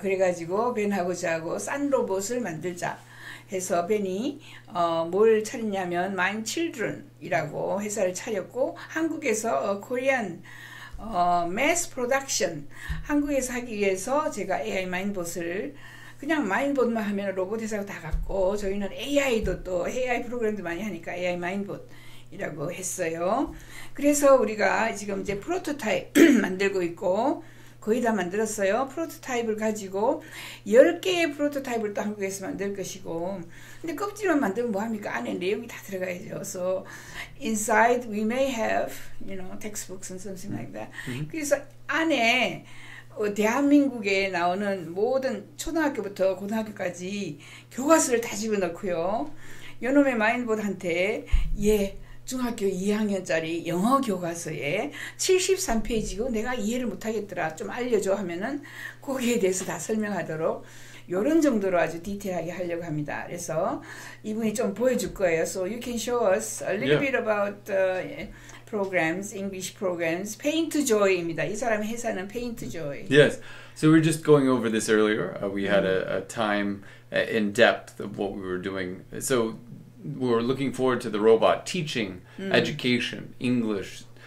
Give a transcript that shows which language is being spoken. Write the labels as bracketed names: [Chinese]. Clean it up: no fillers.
[Korean] 그래가지고 벤하고 저하고 싼 로봇을 만들자 해서 벤이 뭘 차렸냐면 마인 칠드런이라고 회사를 차렸고 한국에서 코리안 매스 프로덕션 한국에서 하기 위해서 제가 AI 마인봇을 그냥 마인봇만 하면 로봇 회사가 다 갖고 저희는 AI도 또 AI 프로그램도 많이 하니까 AI 마인봇이라고 했어요. 그래서 우리가 지금 이제 프로토타입 만들고 있고 거의 다 만들었어요. 프로토타입을 가지고 10개의 프로토타입을 또 한국에서 만들 것이고 근데 껍질만 만들면 뭐 합니까? 안에 내용이 다 들어가야죠. [English] So inside we may have, textbooks and something like that. [Korean] 그래서 안에 대한민국에 나오는 모든 초등학교부터 고등학교까지 교과서를 다 집어넣고요. 요놈의 마인봇한테, 예, 중학교 2학년짜리 영어 교과서에 73페이지고 내가 이해를 못하겠더라. 좀 알려줘 하면은 거기에 대해서 다 설명하도록 요런 정도로 아주 디테일하게 하려고 합니다. 그래서 이분이 좀 보여줄 거예요. [English] So you can show us a little bit about programs, English programs. [Korean] Paint to Joy입니다. 이 사람의 회사는 Paint to Joy. [English] Yes. So we were just going over this earlier. We had a time in depth of what we were doing. So we're looking forward to the robot teaching education, English.